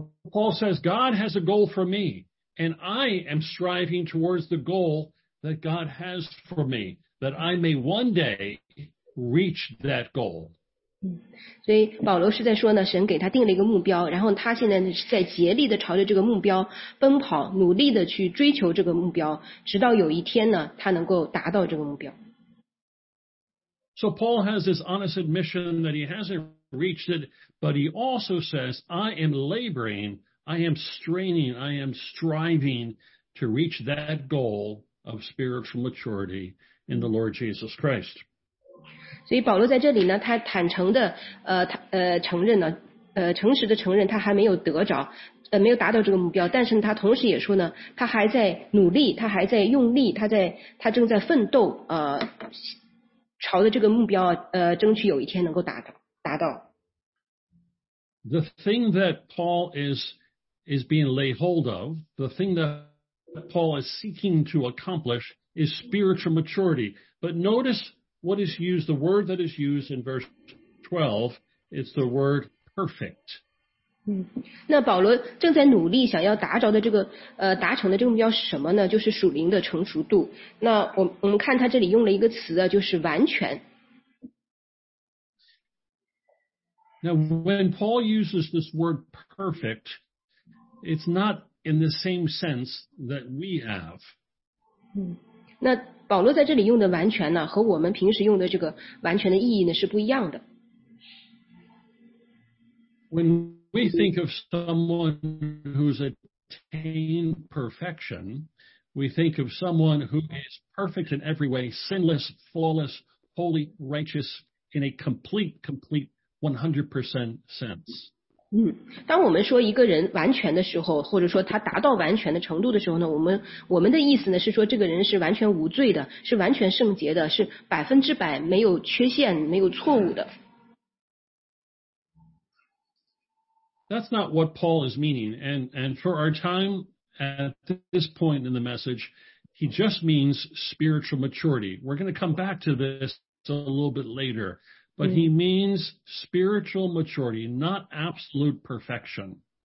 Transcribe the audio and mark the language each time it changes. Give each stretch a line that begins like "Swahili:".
English: Paul says, God has a goal for me. And I am striving towards the goal that God has for me, that I may one day reach that goal.
Chinese: 所以保罗是在说呢，神给他定了一个目标，然后他现在是在竭力的朝着这个目标奔跑，努力的去追求这个目标，直到有一天呢，他能够达到这个目标。
English: So Paul has this honest admission that he hasn't reached it, but he also says, I am laboring. I am straining, I am striving to reach that goal of spiritual maturity in the Lord Jesus Christ.
Chinese: 所以保罗在这里呢，他坦诚的承认呢，诚实的承认他还没有得着，没有达到这个目标，但是他同时也说呢，他还在努力，他还在用力，他正在奋斗，朝着这个目标，争取有一天能够达到。
English: The thing that Paul is being laid hold of, the thing that Paul is seeking to accomplish is spiritual maturity. But notice what is used, the word that is used in verse 12, it's the word perfect.
Chinese: 那保罗正在努力想要达着的这个达成的这个目标是什么呢？就是属灵的成熟度。那我们看他这里用了一个词啊，就是完全。
English: Now when Paul uses this word perfect,It's not in the same sense that we have.
Chinese: 那保罗在这里用的完全呢，和我们平时用的这个完全的意义呢是不一样的。
English: When we think of someone who's attained perfection, we think of someone who is perfect in every way, sinless, flawless, holy, righteous, in a complete 100% sense.
Chinese: 当我们说一个人完全的时候，或者说他达到完全的程度的时候呢，我们的意思呢是说这个人是完全无罪的，是完全圣洁的，是百分之百没有缺陷、没有错误的。
English: That's not what Paul is meaning, and for our time at this point in the message, he just means spiritual maturity. We're going to come back to this a little bit later. But he means spiritual maturity, not absolute perfection.